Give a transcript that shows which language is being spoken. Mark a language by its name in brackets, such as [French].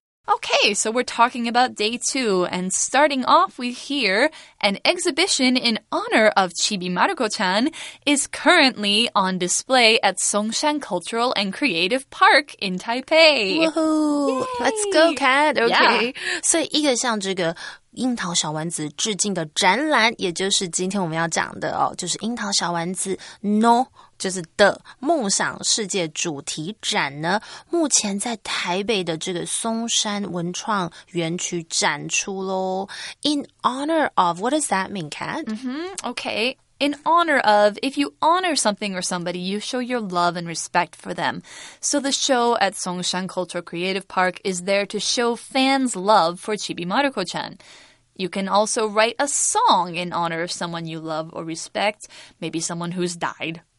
[English] Okay, so we're talking about day two, and starting off, we hear an exhibition in honor of Chibi Maruko-chan is currently on display at Songshan Cultural and Creative Park in Taipei. Woohoo! Yay! Let's go, Kat! Okay. Yeah. [Chinese] So, 一个像这个樱桃小丸子致敬的展览，也就是今天我们要讲的哦，就是樱桃小丸子 No 就是的梦想世界主题展呢，目前在台北的这个松山文创园区展出咯。 [English] In honor of, what does that mean, Kat? Okay. In honor of, if you honor something or somebody, you show your love and respect for them. So the show at Songshan Cultural Creative Park is there to show fans love for Chibi Maruko-chan. You can also write a song in honor of someone you love or respect, maybe someone who's died.